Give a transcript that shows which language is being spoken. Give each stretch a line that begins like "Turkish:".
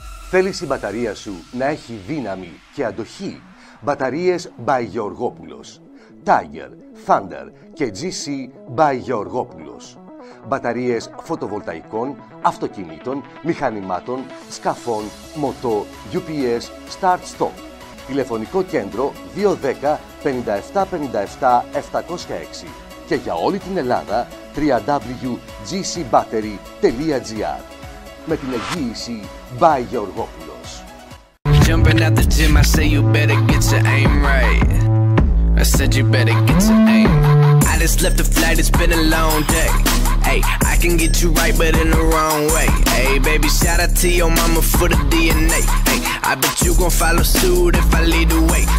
Greek: Θέλεις η μπαταρία σου να έχει δύναμη και αντοχή? Μπαταρίες by Γεωργόπουλος. Tiger, Thunder και GC by Γεωργόπουλος. Μπαταρίες φωτοβολταϊκών, αυτοκινήτων, μηχανημάτων, σκαφών, μοτό, UPS, Start-Stop. Τηλεφωνικό κέντρο 210-5757-706 και για όλη την Ελλάδα www.gcbattery.gr. Με την εγγύηση by Γεωργόπουλος.
English: jumping out the gym, I say you better get your aim right. I said you better get your aim. I just left the flight, it's been a long day. Ay, I can get you right, but in the wrong way. Ay, baby, shout out to your mama for the DNA. Ay, I bet you gon' follow suit if I lead the way.